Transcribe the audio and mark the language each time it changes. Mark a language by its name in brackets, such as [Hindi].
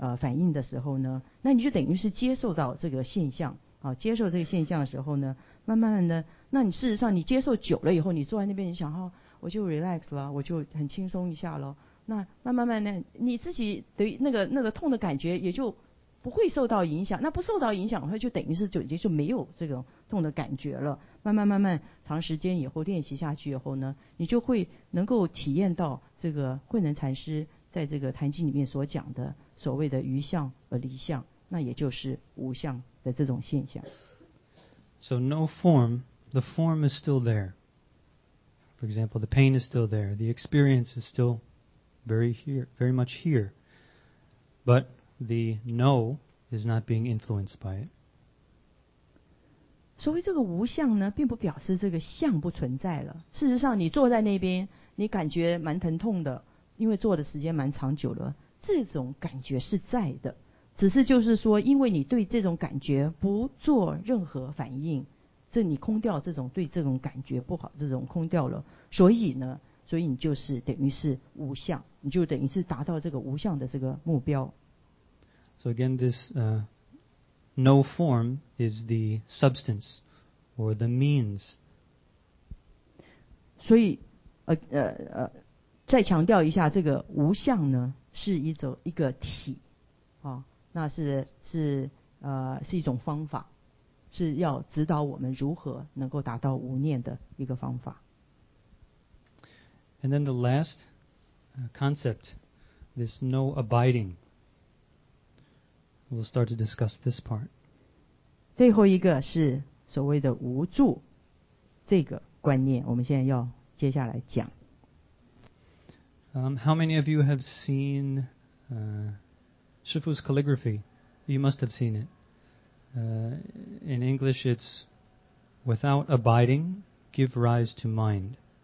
[Chinese] 反应的时候呢，那你就等于是接受到这个现象啊，接受这个现象的时候呢，慢慢的，那你事实上你接受久了以后，你坐在那边你想哈，我就 relax 了，我就很轻松一下了，那慢慢的，你自己对那个痛的感觉也就不会受到影响，那不受到影响的话，就等于是就没有这种痛的感觉了。慢慢长时间以后练习下去以后呢，你就会能够体验到这个慧能禅师在这个《坛经》里面所讲的所谓的于相而离相，那也就是无相的这种现象。 [English] So no form, the form is still there. For example, the pain is still there. The experience is still very here, very much here. But the no is not being influenced by it. [Chinese] 所谓这个无相呢，并不表示这个相不存在了。事实上，你坐在那边，你感觉蛮疼痛的，因为坐的时间蛮长久了，这种感觉是在的。只是就是说，因为你对这种感觉不做任何反应，这你空掉这种对这种感觉不好，这种空掉了，所以你就是等于是无相，你就等于是达到这个无相的这个目标。 [English] So again, this, No form is the substance or the means. [Chinese] 所以再强调一下，这个无相呢是一个体啊，那是一种方法，是要指导我们如何能够达到无念的一个方法。 [English] And then the last concept, this no abiding. We'll start to discuss this part. [Chinese] 最后一个是所谓的无住这个观念，我们现在要接下来讲。 [English] How many of you have seen Shifu's calligraphy? You must have seen it. In English, it's without abiding, give rise to mind.